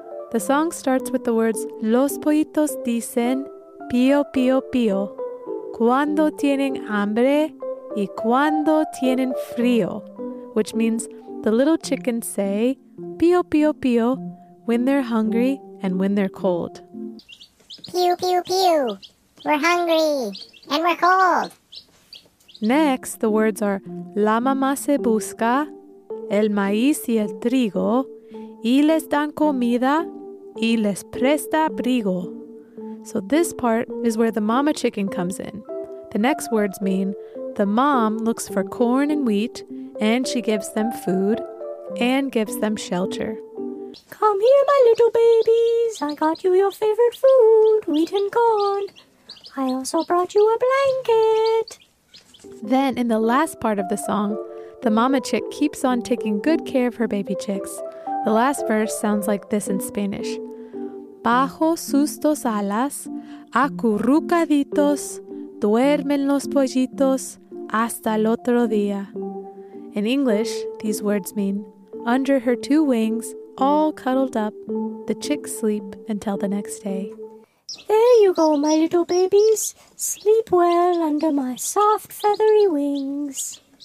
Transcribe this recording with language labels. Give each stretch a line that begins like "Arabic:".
English: The song starts with the words,
Spanish: Los pollitos dicen pío, pío, pío, cuando tienen hambre y cuando tienen frío,
English: which means the little chickens say pío, pío, pío when they're hungry and when they're cold. Pew, pew, pew. We're hungry and we're cold. Next, the words are
Spanish: la mamá se busca el maíz y el trigo y les dan comida y les presta abrigo.
English: So this part is where the mama chicken comes in. The next words mean the mom looks for corn and wheat and she gives them food and gives them shelter. Come here, my little babies. I got you your favorite food, wheat and corn. I also brought you a blanket. Then, in the last part of the song, the mama chick keeps on taking good care of her baby chicks. The last verse sounds like this in Spanish.
Spanish: Bajo sus dos alas, acurrucaditos, duermen los pollitos hasta el otro día.
English: In English, these words mean, under her two wings, all cuddled up, the chicks sleep until the next day. There you go, my little babies. Sleep well under my soft, feathery wings.